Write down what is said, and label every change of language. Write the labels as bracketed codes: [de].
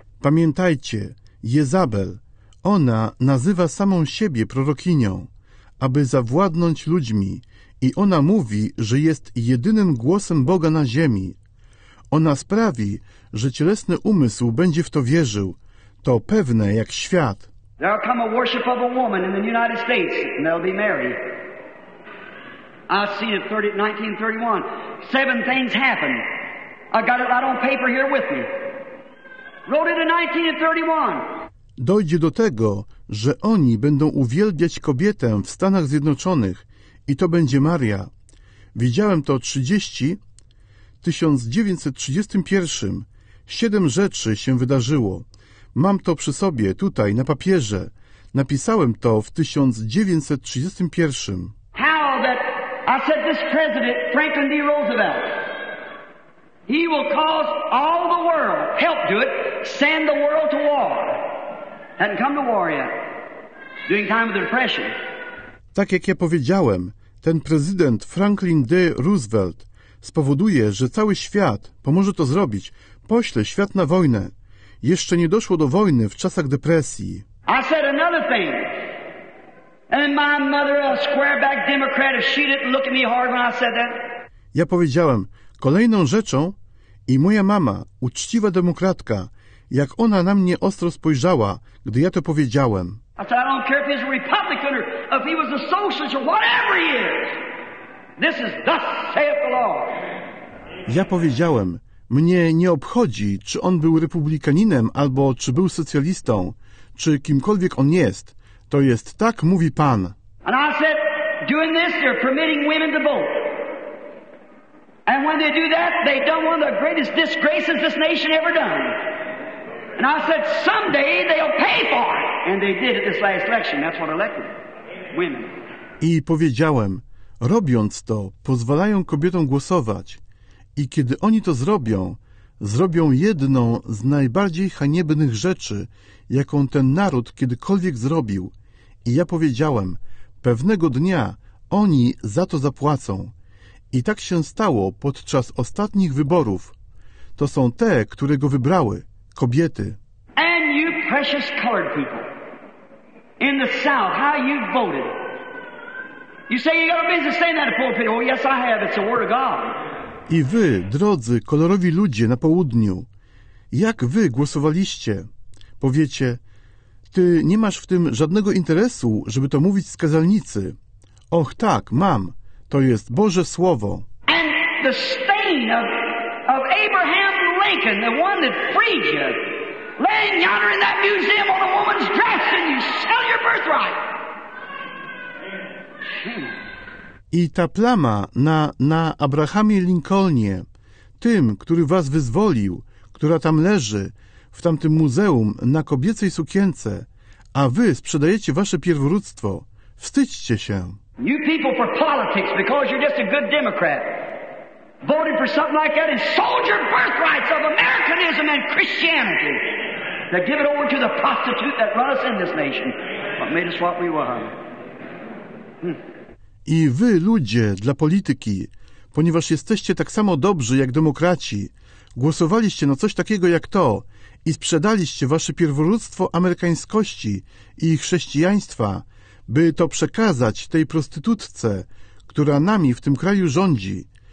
[pl] Pamiętajcie, Jezabel, ona nazywa samą siebie prorokinią, aby zawładnąć ludźmi, i ona mówi, że jest jedynym głosem Boga na ziemi. Ona sprawi, że cielesny umysł będzie w to wierzył. To pewne jak świat. [en] There'll come a worship of a woman in the United States, and they'll be married. I see it 1931. Seven things happened. I got it right on paper here with me. Wrote it in 1931. [pl] Dojdzie do tego, że oni będą uwielbiać kobietę w Stanach Zjednoczonych i to będzie Maria. Widziałem to 1931. Siedem rzeczy się wydarzyło. Mam to przy sobie, tutaj, na papierze. Napisałem to w 1931. [en] How that I said this president, Franklin D. Roosevelt, he will cause all the world, help do it, send the world to war. Hadn't come to war yet. During time of the depression. [pl] Tak jak ja powiedziałem, ten prezydent Franklin D. Roosevelt spowoduje, że cały świat pomoże to zrobić. Pośle świat na wojnę. Jeszcze nie doszło do wojny w czasach depresji. [en] I said another thing. And my mother, a square-back Democrat, if she didn't look at me hard when I said that. [pl] Ja powiedziałem kolejną rzeczą i moja mama, uczciwa demokratka, jak ona na mnie ostro spojrzała, gdy ja to powiedziałem. [en] I said, I don't care if he's a Republican or if he was a socialist or whatever he is. This is thus saith the Lord. [pl] Ja powiedziałem, mnie nie obchodzi, czy on był republikaninem albo czy był socjalistą, czy kimkolwiek on jest. To jest tak, mówi Pan. [en] And I said, doing this, they're permitting women to vote. And when they do that, they've done one of the greatest disgraces this nation ever done. And I said, someday they'll pay for it. And they did at this last election. That's what elected women. [pl] I powiedziałem, robiąc to, pozwalają kobietom głosować. I kiedy oni to zrobią, zrobią jedną z najbardziej haniebnych rzeczy, jaką ten naród kiedykolwiek zrobił. I ja powiedziałem, pewnego dnia oni za to zapłacą. I tak się stało podczas ostatnich wyborów. To są te, które go wybrały, kobiety. [en] And you precious colored people in the South, how you voted. You say you got a business saying that to poor people. Oh yes, I have. It's the word of God. [pl] I wy, drodzy kolorowi ludzie na południu, jak wy głosowaliście? Powiecie, ty nie masz w tym żadnego interesu, żeby to mówić z kazalnicy. Och tak, mam. To jest Boże Słowo. [en] And the stain of Abraham Lincoln, the one that freed you, laying yonder in that museum on a woman's dress and you sell your birthright. [pl] I ta plama na Abrahamie Lincolnie, tym, który was wyzwolił, która tam leży, w tamtym muzeum, na kobiecej sukience, a wy sprzedajecie wasze pierworództwo. Wstydźcie się. [en] You people for politics, because you're just a good Democrat, voted for something like that and sold your birthrights of Americanism and Christianity to give it over to the prostitute that brought us in this nation, what made us what we were. [pl] I wy, ludzie, dla polityki, ponieważ jesteście tak samo dobrzy jak demokraci, głosowaliście na coś takiego jak to i sprzedaliście wasze pierworództwo amerykańskości i chrześcijaństwa, by to przekazać tej prostytutce, która nami w tym kraju rządzi.